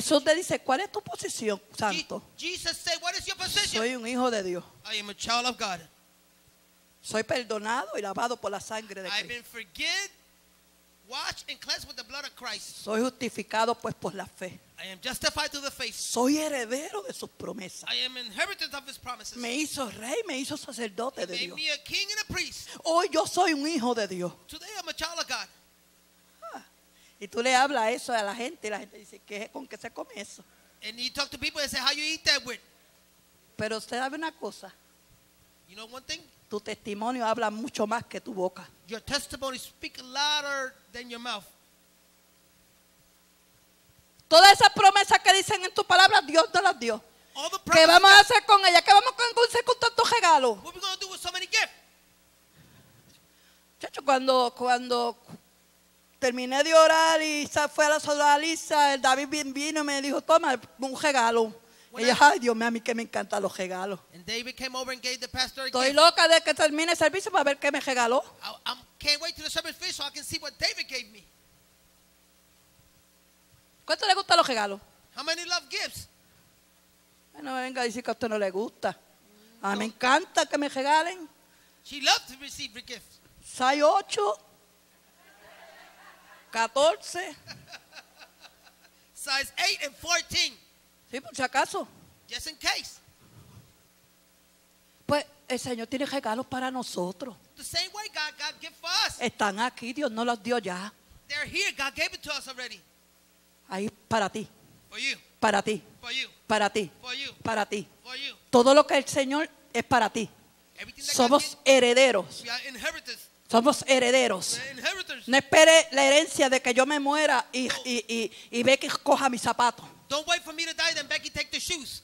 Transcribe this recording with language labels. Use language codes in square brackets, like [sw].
[es] Jesús te dice, ¿cuál es tu posición, santo? [en] Jesus said, what is your position? [es] Soy un hijo de Dios. [en] I am a child of God. [es] Soy perdonado y lavado por la sangre de Cristo. [en] I've been forgiven, washed and cleansed with the blood of Christ. [es] Soy justificado pues por la fe. [en] I am justified through the faith. [es] Soy heredero de sus promesas. [en] I am inheritance of his promises. [es] Me hizo rey, me hizo sacerdote de Dios. [en] He made me a king and a priest. [es] Hoy yo soy un hijo de Dios. [en] Today I'm a child of God. [es] Y tú le hablas eso a la gente dice, ¿qué, con qué se come eso? [en] And you talk to people and say, how you eat that with? [es] Pero usted sabe una cosa. [en] You know one thing? [es] Tu testimonio habla mucho más que tu boca. [en] Your testimony speaks louder than your mouth. [es] Todas esas promesas que dicen en tu palabra, Dios te las dio. ¿Qué vamos a hacer con ellas? ¿Qué vamos a hacer con tantos regalos? [en] What are we going to do with so many gifts? [es] Chacho, cuando terminé de orar y fue a la solaliza. El David vino y me dijo, toma, un regalo. Y yo, ay, Dios mío, a mí que me encantan los regalos. [en] And David came over and gave the pastor a [es] estoy [en] gift. [es] Loca de que termine el servicio para ver qué me regaló. [en] I can't wait till the service finish so I can see what David gave me. [es] ¿Cuánto le gustan los regalos? [en] How many love gifts? [es] Bueno, venga, dice que a usted no le gusta. No. Me encanta que me regalen. [en] She loves to receive the gifts. [es] 6-8. 14. [en] Size 8 and 14. [es] Sí, por si acaso. [en] Just in case. [es] Pues el Señor tiene regalos para nosotros. [en] The same way God gave for us. [es] Están aquí, Dios no los dio ya. [en] They're here, God gave it to us already. [es] Ahí para ti. [en] For you. [es] Para ti. [en] For you. [es] Para ti. [en] For you. [es] Para ti. [en] For you. [es] Todo lo que el Señor es para ti. [en] Everything that [es] somos [en] God [es] herederos. [en] We are inheritors. [es] Somos herederos. No espere la herencia de que yo me muera y Becky coja mis zapatos. [en] Don't wait for me to die, then Becky take the shoes.